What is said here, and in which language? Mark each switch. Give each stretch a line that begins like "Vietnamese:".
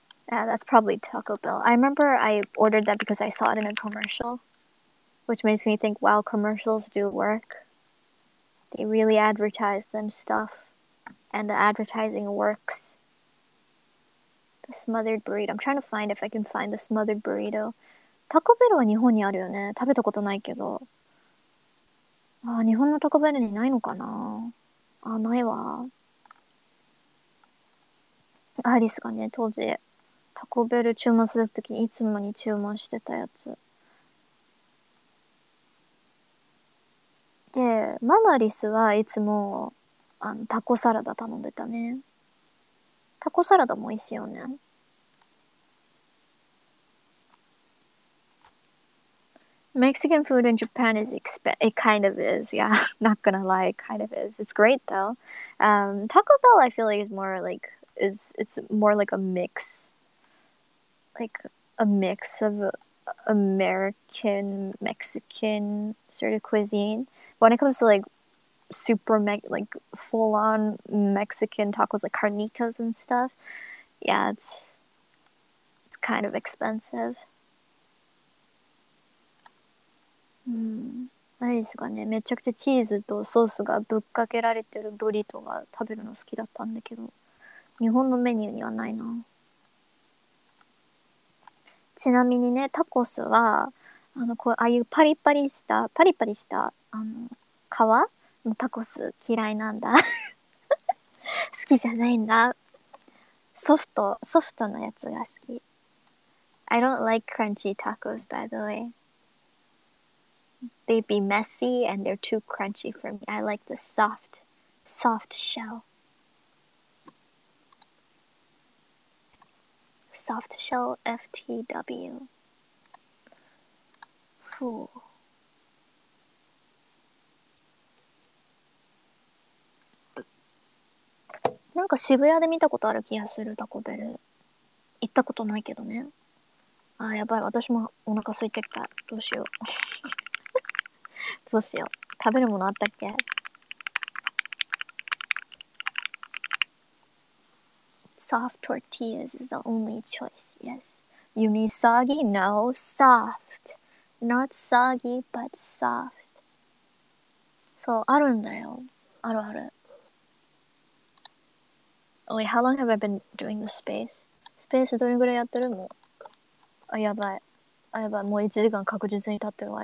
English: Yeah, that's probably Taco Bell. I remember I ordered that because I saw it in a commercial, which makes me think, wow, commercials do work. They really advertise them stuff. And the advertising works. The smothered burrito. I'm trying to find if I can find the smothered burrito.
Japanese: Taco Bell は日本にあるよね。食べたことないけど。ああ、日本の Taco Bell にないのかな。ああ、ないわ。アリスがね、当時 Taco Bell 注文するときにいつもに注文してたやつ。で、ママアリスはいつも。あのタコサラダ頼んでたね。タコサラダも美味しいよね。
English: Mexican food in Japan is it kind of is, yeah, not gonna lie, it kind of is. It's great though. Taco Bell I feel like it's more like a mix of American, Mexican sort of cuisine. When it comes to likeSuper full-on Mexican tacos, like carnitas and stuff. Yeah, it's kind of expensive.
Japanese: あれですかね、めちゃくちゃチーズとソースがぶっかけられてるブリトが食べるの好きだったんだけど、日本のメニューにはないな。ちなみにね、タコスはあのこうああいうパリパリしたあの皮タコス嫌いなんだ好きじゃないんだ。ソフトのやつが好き。
English: I don't like crunchy tacos, by the way. They'd be messy and they're too crunchy for me. I like the soft shell. Soft shell FTW. Phew.
Japanese: なんか渋谷で見たことある気がする。タコベル行ったことないけどね。あーやばい、私もお腹空いてきた。どうしようどうしよう、食べるものあったっけ。
English: ソフトティーヤーズ is the only choice. Yes. You mean soggy? No, soft. Not soggy, but soft.
Japanese: そう、あるんだよ。あるある。
English: Wait, how long have I been doing the space?
Japanese: Space どれぐらいやってるの？あ、やばい。あ、やばい。もう1時間確実に経ってるわ。